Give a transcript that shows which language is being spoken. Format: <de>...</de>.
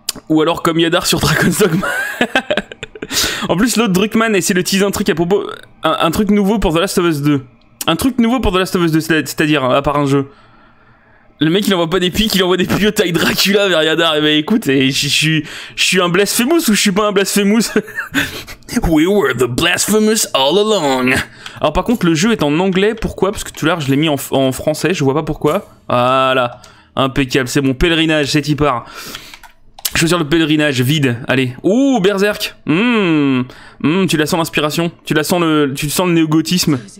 <fr>Ou alors comme Yadar sur Dragon's Dogma. En plus, l'autre Druckmann essaie de teaser un truc à propos... Un truc nouveau pour The Last of Us 2. Un truc nouveau pour The Last of Us 2, c'est-à-dire, hein, à part un jeu. Le mec, il envoie pas des pics, il envoie des pieux taille Dracula vers Yadar. Eh ben écoute, je suis un Blasphemous ou je suis pas un Blasphemous?</fr> <en>We were the Blasphemous all along.</en> <fr>Alors par contre, le jeu est en anglais, pourquoi? Parce que tout à l'heure, je l'ai mis en français, je vois pas pourquoi. Voilà, impeccable, c'est mon pèlerinage, c'est y part. Choisir le pèlerinage, vide, allez. Ouh, Berserk. Tu la sens l'inspiration, tu sens le néo-gothisme.</fr>